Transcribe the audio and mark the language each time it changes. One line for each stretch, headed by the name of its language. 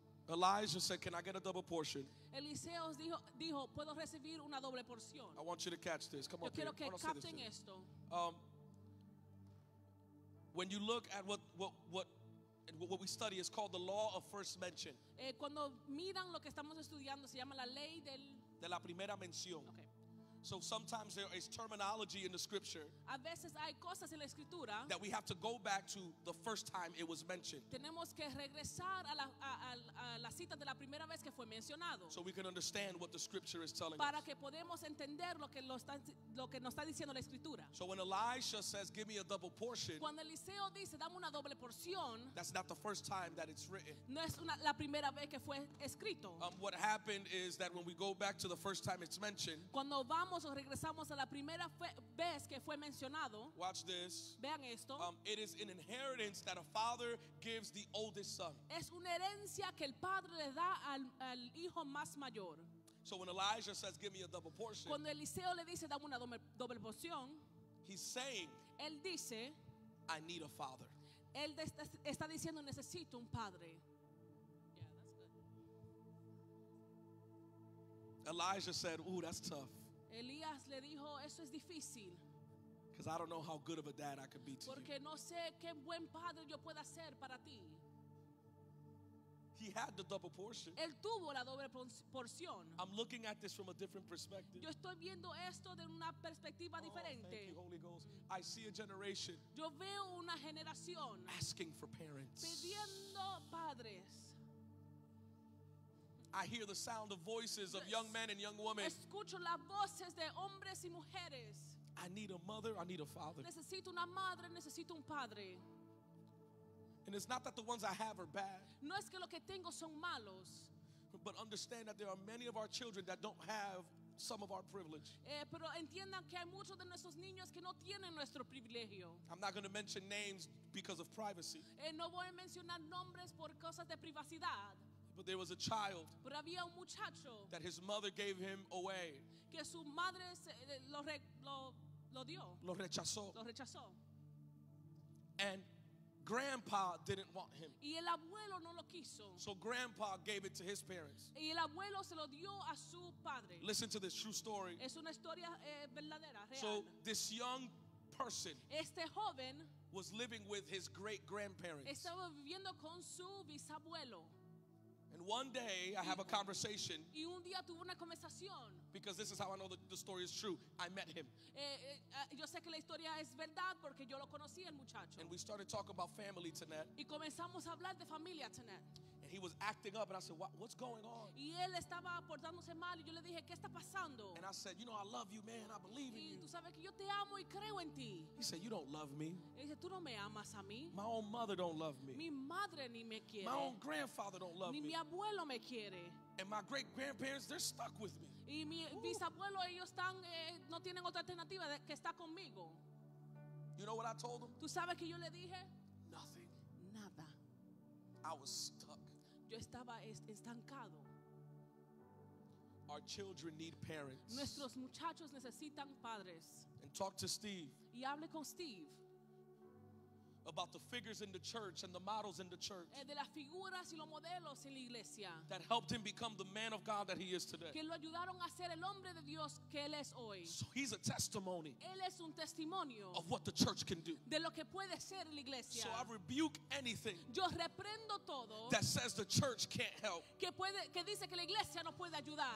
English: Elijah said, "Can I get a double portion?"
Spanish: Eliseo dijo, "Puedo recibir una doble porción."
English: I want you to catch this. Come on,
Spanish: quiero
English: up here.
Spanish: Que capten esto.
English: When you look at what we study, it's called the law of first mention.
Spanish: Cuando miran lo que estamos estudiando, se llama la ley del de la primera mención.
English: Okay. So sometimes there is terminology in the scripture.
Spanish: A veces hay cosas en la escritura
English: that we have to go back to the first time it was mentioned.
Spanish: Tenemos que regresar a la cita de la primera vez que fue mencionado.
English: So we can understand what the scripture is telling
Spanish: para
English: us.
Spanish: Que podemos entender lo que nos está diciendo la escritura.
English: So when Elisha says, "Give me a double portion,"
Spanish: cuando Eliseo dice, "Dame una doble porción,"
English: that's not the first time that it's written.
Spanish: No es la primera vez que fue escrito.
English: What happened is that when we go back to the first time it's mentioned,
Spanish: cuando vamos o regresamos a la primera vez que fue mencionado.
English: Watch this.
Spanish: Vean esto.
English: It is an inheritance that a father gives the oldest son.
Spanish: Es una herencia que el padre le da al hijo más mayor.
English: So when Elijah says, "Give me a double portion,"
Spanish: cuando Eliseo le dice, "Dame una doble porción,"
English: he's saying,
Spanish: él dice,
English: "I need a father."
Spanish: Él está diciendo, necesito un padre.
English: Yeah, that's good. Elijah said, "Ooh, that's tough."
Spanish: Elías le dijo, eso es difícil.
English: Because I don't know how good of a dad I could be to you.
Spanish: Porque no sé qué buen padre yo pueda ser para ti.
English: He had the double portion.
Spanish: Él tuvo la doble porción.
English: I'm looking at this from a different perspective.
Spanish: Yo estoy viendo esto de una perspectiva diferente.
English: Thank you, Holy Ghost. I see a generation.
Spanish: Yo veo una generación.
English: Asking for parents.
Spanish: Pidiendo padres.
English: I hear the sound of voices of young men and young women.
Spanish: Escucho las voces de hombres y mujeres.
English: I need a mother, I need a father.
Spanish: Necesito una madre, necesito un padre.
English: And it's not that the ones I have are bad.
Spanish: No es que lo que tengo son malos.
English: But understand that there are many of our children that don't have some of our privilege.
Spanish: Pero entiendan que hay muchos de nuestros niños que no tienen nuestro privilegio.
English: I'm not going to mention names because of privacy.
Spanish: No voy a mencionar nombres por cosas de privacidad.
English: But there was a child
Spanish: pero había un muchacho
English: that his mother gave him away.
Spanish: Que su madre lo dio. Lo rechazó. Lo rechazó.
English: And grandpa didn't want him.
Spanish: Y el abuelo no lo quiso.
English: So grandpa gave it to his parents.
Spanish: Y el abuelo se lo dio a su padre.
English: Listen to this true story.
Spanish: Es una historia verdadera, real.
English: So this young person
Spanish: este joven
English: was living with his great grandparents.
Spanish: Estaba viviendo con su bisabuelo.
English: And one day, I have a conversation.
Spanish: Y un día tuve una conversación.
English: Because this is how I know the story is true. I met him.
Spanish: Yo sé que la historia es verdad porque yo lo conocí, el muchacho.
English: And we started talking about family tonight.
Spanish: Y comenzamos a hablar de familia tonight.
English: And he was acting up, and I said, "What's going on?"
Spanish: Y él estaba portándose mal, y yo le dije, "¿Qué está pasando?"
English: And I said, "You know, I love you, man. I believe in you."
Spanish: Y tú sabes que yo te amo y creo en ti.
English: He said, "You don't love me."
Spanish: Y dice, "Tú no me amas a mí."
English: My own mother don't love me.
Spanish: Mi madre ni me quiere.
English: My own grandfather don't love
Spanish: ni
English: me.
Spanish: Mi abuelo me quiere.
English: And my great grandparents, they're stuck with me.
Spanish: Y mi bisabuelo, ellos están, no tienen otra alternativa que está conmigo.
English: You know what I told him?
Spanish: Tú sabes que yo le dije,
English: nothing.
Spanish: Nada.
English: I was stuck.
Spanish: Yo estaba estancado.
English: Our children need parents.
Spanish: Nuestros muchachos necesitan padres.
English: And talk to Steve.
Spanish: Y hable con Steve.
English: about the figures in the church and the models in the church
Spanish: de las figuras y los modelos en la iglesia
English: that helped him become the man of God that he is today.
Spanish: Que lo ayudaron a ser el hombre de Dios que él es hoy.
English: So he's a testimony
Spanish: él es un testimonio
English: of what the church can do.
Spanish: De lo que puede ser la iglesia.
English: So I rebuke anything
Spanish: yo reprendo todo
English: that says the church can't help.
Spanish: Que puede, que dice que la iglesia no puede ayudar.